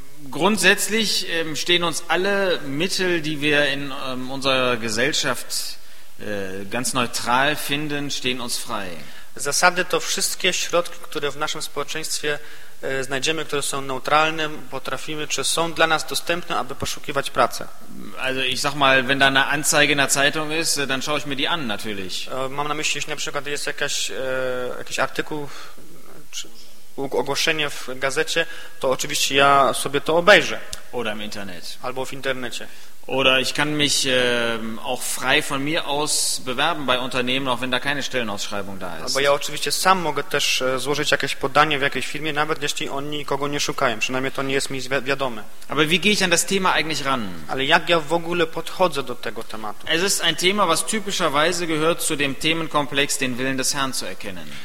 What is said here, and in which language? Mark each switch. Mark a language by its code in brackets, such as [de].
[de] Grundsätzlich stehen uns alle Mittel, die wir in unserer Gesellschaft ganz neutral finden, stehen uns frei. [pl] Zasady to wszystkie środki, które w naszym społeczeństwie znajdziemy, które są neutralne, potrafimy, czy są dla nas dostępne, aby poszukiwać pracę. [de] Also ich sag mal, wenn da eine Anzeige in der Zeitung ist, dann schaue ich mir die an natürlich. [pl] Mam na myśli, jeśli na przykład jest jakiś artykuł czy ogłoszenie w gazecie, to oczywiście ja sobie to obejrzę. [de] Oder im Internet. [pl] Albo w internecie. [de] Oder ich kann mich auch frei von mir aus bewerben bei Unternehmen, auch wenn da keine Stellenausschreibung da ist. [pl] Albo ja oczywiście sam mogę też złożyć jakieś podanie w jakiejś firmie, nawet jeśli oni kogo nie szukają, przynajmniej to nie jest mi wiadome. [de] Aber wie gehe ich an das Thema eigentlich ran? [pl] Ale jak ja w ogóle podchodzę do tego tematu? [de] Es ist ein Thema, was typischerweise gehört zu dem Themenkomplex, den Willen des Herrn zu erkennen.